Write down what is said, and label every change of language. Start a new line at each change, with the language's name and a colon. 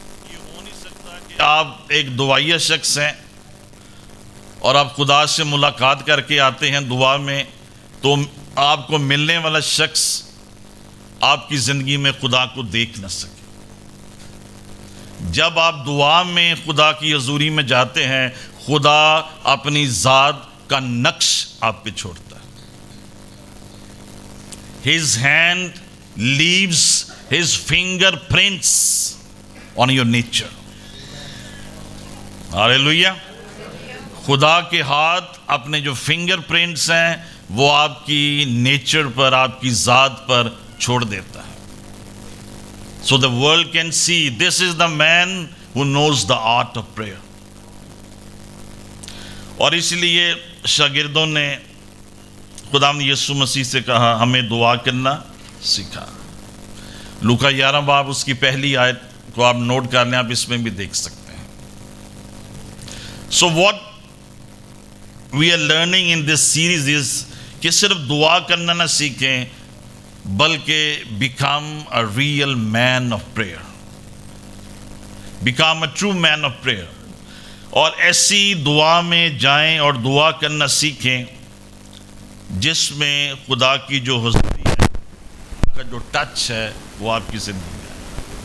Urdu: یہ ہو نہیں سکتا کہ آپ ایک دعائیہ شخص ہیں اور آپ خدا سے ملاقات کر کے آتے ہیں دعا میں, تو آپ کو ملنے والا شخص آپ کی زندگی میں خدا کو دیکھ نہ سکے. جب آپ دعا میں خدا کی حضوری میں جاتے ہیں, خدا اپنی ذات کا نقش آپ پہ چھوڑتا ہے.
English: His hand leaves his fingerprints on your nature. Hallelujah.
Urdu: خدا کے ہاتھ اپنے جو فنگر پرنٹس ہیں وہ آپ کی نیچر پر, آپ کی ذات پر چھوڑ دیتا ہے.
English: So the world can see this is the man who knows the art of prayer.
Urdu: اور اس لیے شاگردوں نے خدا یسوع مسیح سے کہا ہمیں دعا کرنا سکھا. لوکا 11 باب اس کی پہلی آیت کو آپ نوٹ کر لیں, آپ اس میں بھی دیکھ سکتے ہیں.
English: so what we are learning in this series is
Urdu: کہ صرف دعا کرنا نہ سیکھیں بلکہ
English: become a real man of prayer, become a true man of prayer,
Urdu: اور ایسی دعا میں جائیں اور دعا کرنا سیکھیں جس میں خدا کی جو حضوری ہے, کا جو ٹچ ہے وہ آپ کی زندگی ہے.